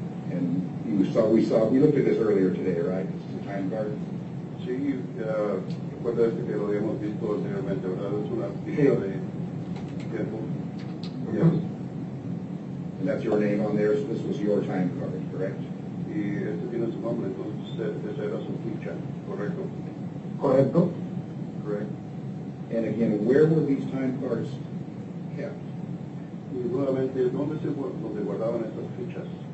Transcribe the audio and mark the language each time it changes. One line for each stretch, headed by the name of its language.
English: And we looked at this earlier today, right? This is a time card?
Spanish: Sí, recuerda este que lo habíamos visto anteriormente, ¿verdad? Es una ficha de tiempo.
English: Yes. And that's your name on there, so this was your time card, correct?
Spanish: Y este tiene su nombre, entonces esa era su ficha, ¿correcto? Correcto.
English: Correct. And again, where were these time cards?
Spanish: Y nuevamente, ¿dónde se guardaban estas fichas?